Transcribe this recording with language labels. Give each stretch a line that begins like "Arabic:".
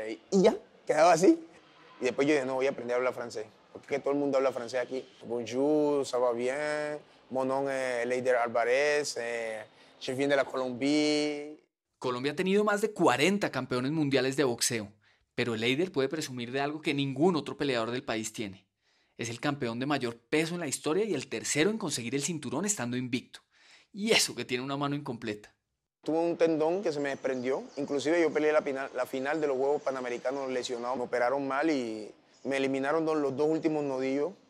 Spanish: Y ya, quedaba así. Y después yo dije, no, voy a aprender a hablar francés. ¿Por qué todo el mundo habla francés aquí?
French: Bonjour, ça va bien, mon nom es Leider Álvarez, je viens de la Colombie.
Spanish: Colombia ha tenido más de 40 campeones mundiales de boxeo, pero Leider puede presumir de algo que ningún otro peleador del país tiene. Es el campeón de mayor peso en la historia y el tercero en conseguir el cinturón estando invicto. Y eso que tiene una mano incompleta. Tuve un tendón que se me desprendió. Inclusive yo peleé la final de los Juegos Panamericanos lesionado. Me operaron mal y me eliminaron los dos últimos nodillos.